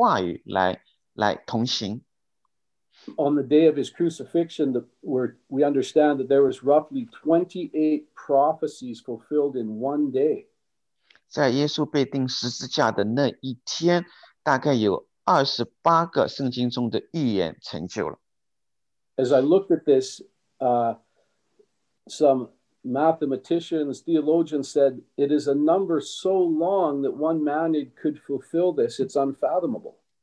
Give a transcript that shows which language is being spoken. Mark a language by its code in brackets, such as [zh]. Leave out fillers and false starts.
[zh] 要和神这个鲜活的话语来同行。 [en] On the day of his crucifixion, we understand that there was roughly 28 prophecies fulfilled in one day. [zh] 在耶稣被钉十字架的那一天, 大概有28个圣经中的预言成就了。As [en] I looked at this, some mathematicians, theologians said, it is a number so long that one man could fulfill this, it's unfathomable.